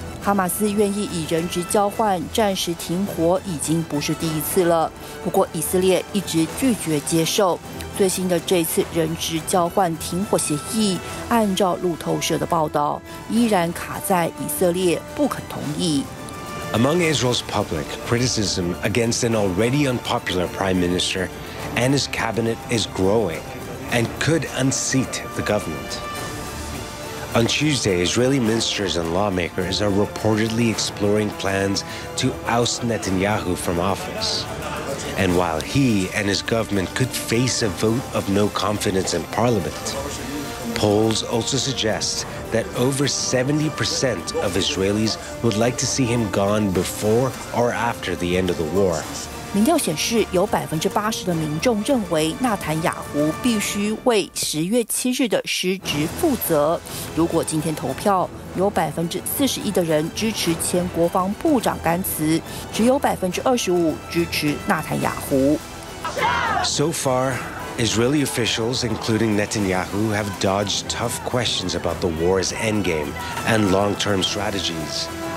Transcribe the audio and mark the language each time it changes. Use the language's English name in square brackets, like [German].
[Chinese] 哈马斯愿意以人质交换暂时停火已经不是第一次了，不过以色列一直拒绝接受。最新的这次人质交换停火协议，按照路透社的报道，依然卡在以色列不肯同意。 [English] Among Israel's public, criticism against an already unpopular prime minister and his cabinet is growing and could unseat the government. On Tuesday, Israeli ministers and lawmakers are reportedly exploring plans to oust Netanyahu from office. And while he and his government could face a vote of no confidence in parliament, polls also suggest that over 70% of Israelis would like to see him gone before or after the end of the war. [Chinese] 民调显示，有80%的民众认为纳坦雅胡必须为10月7日的失职负责。如果今天投票，有41%的人支持前国防部长甘茨，只有25%支持纳坦雅胡。 [English] So far, Israeli officials, including Netanyahu, have dodged tough questions about the war's endgame and long-term strategies.